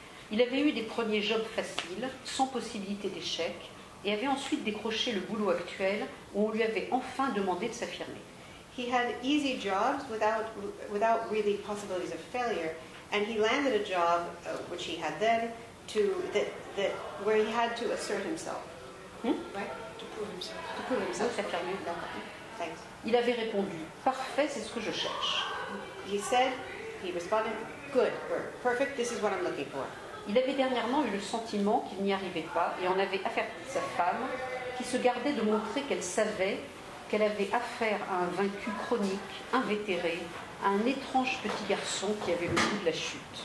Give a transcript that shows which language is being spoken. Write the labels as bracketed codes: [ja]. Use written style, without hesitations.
[fr] Il avait eu des premiers jobs faciles, sans possibilité d'échec, et avait ensuite décroché le boulot actuel où on lui avait enfin demandé de s'affirmer. [en] He had easy jobs without really possibilities of failure, and he landed a job which he had then to that where he had to assert himself. Right? To prove himself. [fr] S'affirmer. [en] Thanks. [fr] Il avait répondu, parfait, c'est ce que je cherche. [en] He responded, good, perfect, this is what I'm looking for. [fr] Il avait dernièrement eu le sentiment qu'il n'y arrivait pas et en avait affaire à sa femme, qui se gardait de montrer qu'elle savait qu'elle avait affaire à un vaincu chronique, invétéré, à un étrange petit garçon qui avait le goût de la chute.